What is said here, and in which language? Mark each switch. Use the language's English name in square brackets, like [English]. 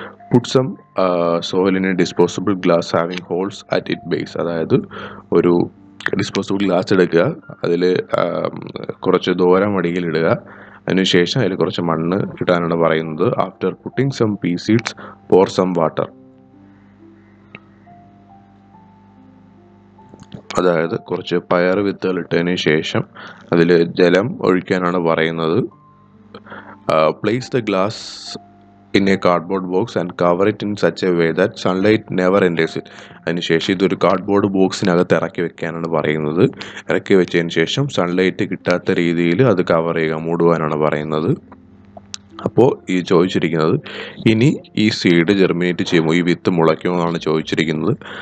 [English] put some soil in a disposable glass having holes at it base, [Malayalam] അതായത് ഒരു disposable glass എടുക്കുക, അതിൽ കുറച്ച് ദൂരം അടിയിലിടുക, അതിനുശേഷം അതിൽ കുറച്ച് മണ്ണ് ഇടാനാണ് പറയുന്നത്. [English] after putting some pea seeds pour some water, [Malayalam] അതായത് കുറച്ച് പയർ വിത്തുകൾ ഇട്ടതിന് ശേഷം അതിൽ ജലം ഒഴിക്കാനാണ് പറയുന്നത്. [English] Place the glass in a cardboard box and cover it in such a way that sunlight never enters it. [Malayalam] അതിന് ശേഷം ഇതൊരു കാർഡ്ബോർഡ് ബോക്സിനകത്ത് ഇറക്കി വെക്കാനാണ് പറയുന്നത്. ഇറക്കി വെച്ചതിന് ശേഷം സൺലൈറ്റ് കിട്ടാത്ത രീതിയിൽ അത് കവർ ചെയ്യുക, മൂടുവാനാണ് പറയുന്നത്. അപ്പോൾ ഈ ചോദിച്ചിരിക്കുന്നത് ഇനി ഈ സീഡ് ജെർമിനേറ്റ് ചെയ്യുമോ, ഈ വിത്ത് മുളയ്ക്കുമോ എന്നാണ് ചോദിച്ചിരിക്കുന്നത്.